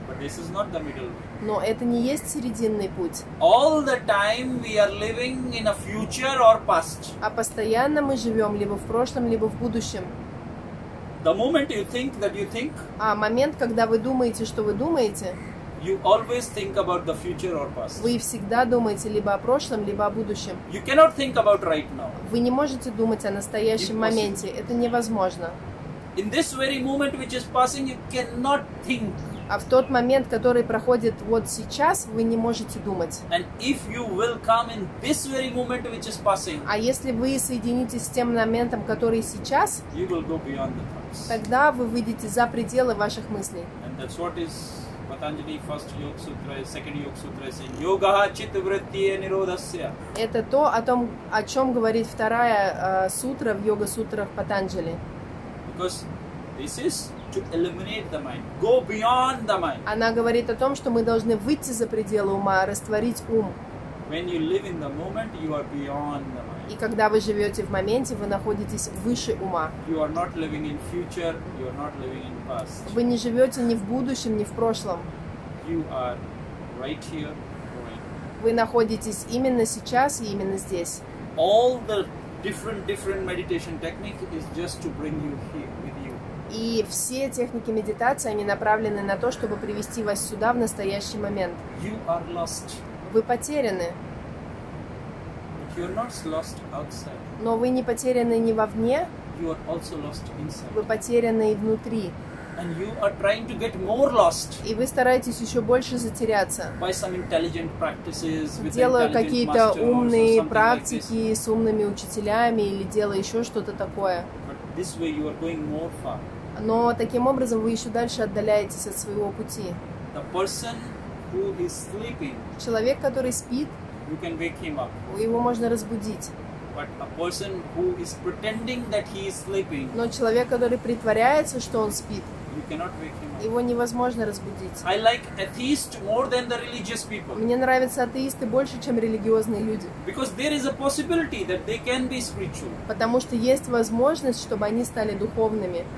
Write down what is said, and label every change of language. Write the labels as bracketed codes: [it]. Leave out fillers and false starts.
[en] But this is not the middle way. [ru] Но это не есть серединный путь. [en] All the time we are living in a future or past. [ru] А постоянно мы живем либо в прошлом, либо в будущем. [en] The moment you think that you think, [ru] а момент, когда вы думаете, что вы думаете, [en] you always think about the future or past. [ru] Вы всегда думаете либо о прошлом, либо о будущем. [en] You cannot think about right now. [ru] Вы не можете думать о настоящем моменте. Это невозможно. [en] In this very moment which is passing, you cannot think. [ru] А в тот момент, который проходит вот сейчас, вы не можете думать. [en] And if you will come in this very moment which is passing, [ru] а если вы соединитесь с тем моментом, который сейчас, [en] you will go beyond the thoughts. [ru] Тогда вы выйдете за пределы ваших мыслей. [en] And that's what is Patanjali first yoga sutra, second yoga sutra saying, [sa] yogah chit vrittiye nirodhasya. [ru] Это то, о том, о чем говорит вторая сутра в йога сутрах Патанджали. [en] Because this is to eliminate the mind, go beyond the mind. [ru] Она говорит о том, что мы должны выйти за пределы ума, растворить ум. [en] When you live in the moment, you are beyond the mind. [ru] И когда вы живете в моменте, вы находитесь выше ума. [en] You are not living in future, you are not living in past. [ru] Вы не живете ни в будущем, ни в прошлом. [en] You are right here, right. [ru] Вы находитесь именно сейчас и именно здесь. [en] All the different meditation technique is just to bring you here. [ru] И все техники медитации, они направлены на то, чтобы привести вас сюда в настоящий момент. [en] You are lost. [ru] Вы потеряны. [en] You are not lost outside. [ru] Но вы не потеряны не вовне. [en] You are also lost inside. [ru] Вы потеряны и внутри. [en] And you are trying to get more lost. [ru] И вы стараетесь еще больше затеряться. [en] By some intelligent practices, [ru] делая какие-то умные практики с умными учителями или делая еще что-то такое. [en] This way you are going more far. [ru] Но таким образом вы еще дальше отдаляетесь от своего пути. [en] The person who is sleeping, [ru] человек, который спит, [en] you can wake him up. [ru] Его можно разбудить. [en] But a person who is pretending that he is sleeping, [ru] но человек, который притворяется, что он спит, [en] you cannot wake him up. [ru] Его невозможно разбудить. [en] I like atheists more than the religious people. [ru] Мне нравятся атеисты больше, чем религиозные люди. [en] Because there is a possibility that they can be spiritual. [ru] Потому что есть возможность, чтобы они стали духовными.